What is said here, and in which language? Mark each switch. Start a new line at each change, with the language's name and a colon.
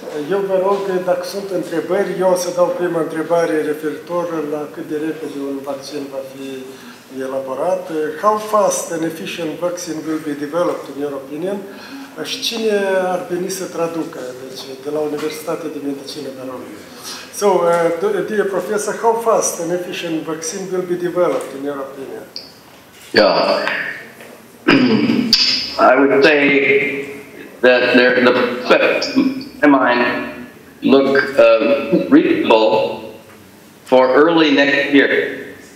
Romanian: Eu vă rog, dacă sunt întrebări, eu o să dau prima întrebare referitoră la cât de repede un vaccin va fi elaborat.
English: How fast an efficient vaccine will be developed, in your opinion?
Romanian: Și cine ar veni să traducă? Deci, de la Universitatea de Medicină, vă rog.
English: So, dear professor, how fast an efficient vaccine will be developed, in your opinion? Yeah. I would say that there, the prospects, in my mind, look reasonable for early next year.